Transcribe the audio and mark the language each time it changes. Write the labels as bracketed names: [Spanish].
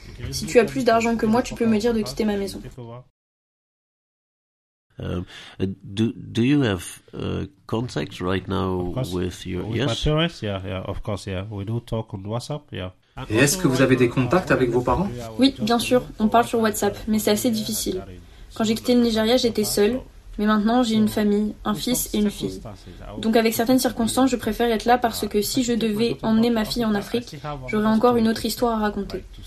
[French] Si tu as plus d'argent que moi, tu peux me dire de quitter ma maison. [English] Do you have contact right now with your... With my parents, yeah, of course, yeah. We do talk on WhatsApp, yeah. [French] Et est-ce que vous avez des contacts avec vos parents? Oui, bien sûr. On parle sur WhatsApp, mais c'est assez difficile. Quand j'ai quitté le Nigeria, j'étais seule. Mais maintenant, j'ai une famille, un fils et une fille. Donc avec certaines circonstances, je préfère être là parce que si je devais emmener ma fille en Afrique, j'aurais encore une autre histoire à raconter.